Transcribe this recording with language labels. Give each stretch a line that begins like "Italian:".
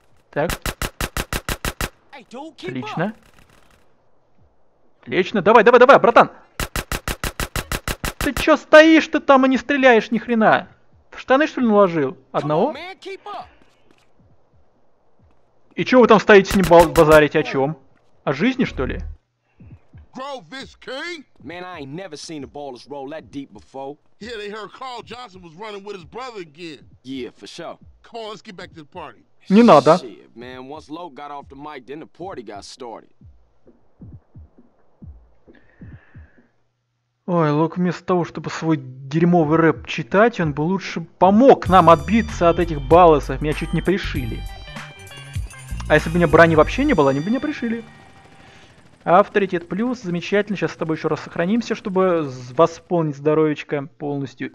Russian: Так. Отлично. Отлично, давай, братан! Ты чё стоишь-то там и не стреляешь ни хрена? В штаны что ли наложил? Одного? И чё вы там стоите с ним базарить о чём? О жизни что ли?
English: Grove this king? Man, I ain't never seen the ballers roll that deep before. Yeah, they heard Carl Johnson was running with his brother again. Yeah, for sure. Come on, let's get back to the party.
Russian: Не надо.
English: Shit, man, once Loke got off the mic, then the party got started.
Russian: Ой, Лок, вместо того, чтобы свой дерьмовый рэп читать, он бы лучше помог нам отбиться от этих баллосов. Меня чуть не пришили. А если бы у меня брони вообще не было, они бы меня пришили. Авторитет плюс, замечательно. Сейчас с тобой еще раз сохранимся, чтобы восполнить здоровечко полностью.